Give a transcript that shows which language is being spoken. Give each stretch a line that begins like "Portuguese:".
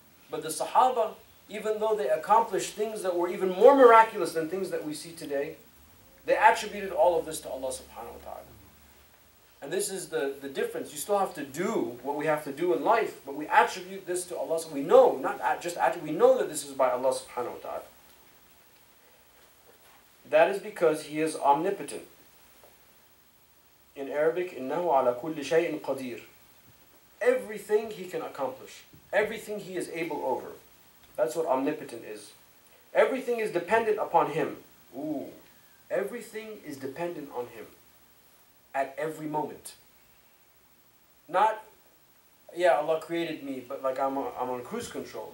English: But the Sahaba, even though they accomplished things that were even more miraculous than things that we see today, they attributed all of this to Allah subhanahu wa ta'ala. And this is the difference. You still have to do what we have to do in life, but we attribute this to Allah. We know, we know that this is by Allah subhanahu wa ta'ala. That is because He is omnipotent. In Arabic,
Arabic: إِنَّهُ عَلَى كُلِّ شَيْءٍ قَدِيرٍ.
English: Everything He can accomplish. Everything He is able over. That's what omnipotent is. Everything is dependent upon Him. Ooh. Everything is dependent on Him. At every moment. Not, yeah, Allah created me, but like I'm on cruise control.